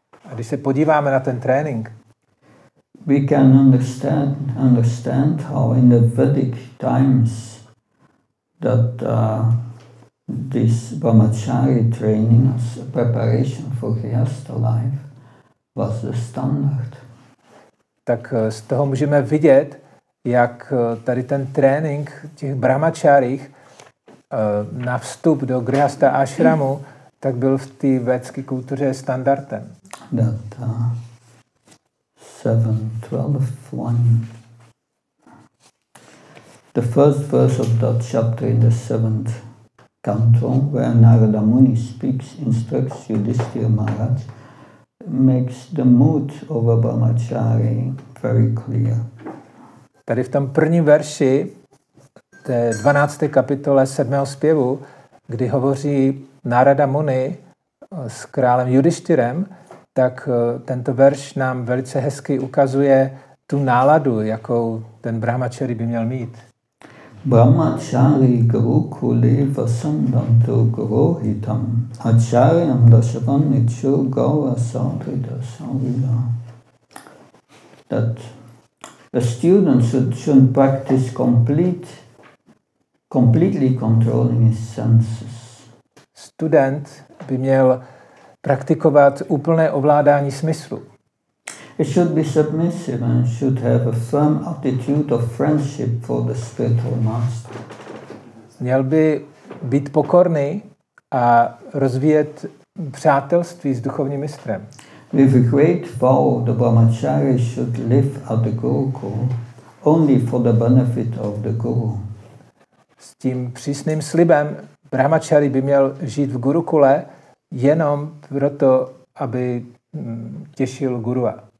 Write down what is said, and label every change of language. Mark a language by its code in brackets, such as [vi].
[cs] a když se podíváme na ten trénink, [en] we can understand how in the Vedic times that this brahmachari training as a preparation for grihastha life was the standard. [cs] Tak z toho můžeme vidět, jak tady ten trénink těch brahmacharích na vstup do grihastha ashramu tak byl v té vedské kultuře standardem. [en] That 7, 12, 1. The first verse of that chapter in the seventh canto, where Narada Muni speaks, instructs Yudhisthira Maharaj, makes the mood of a brahmachari very clear. [cs] Tady v tom první verši té 12. kapitole 7. zpěvu, kdy hovoří Narada Muni s králem Yudhishthirem, tak tento verš nám velice hezky ukazuje tu náladu, jakou ten brahmachari by měl mít. [sa] Brahmachari gurukuli vasandantu gurohitam acharyam dasavan nichu gaura saudrita saudrita. [en] That the student should practice completely controlling his senses. [cs] Student by měl praktikovat úplné ovládání smyslu. [en] He should be submissive and should have a firm attitude of friendship for the spiritual master. [cs] Měl by být pokorný a rozvíjet přátelství s duchovním mistrem. [en] With a great vow, the brahmachari should live at the gurukul only for the benefit of the guru. [cs] S tím přísným slibem brahmachari by měl žít v gurukule jenom proto, aby těšil gurua.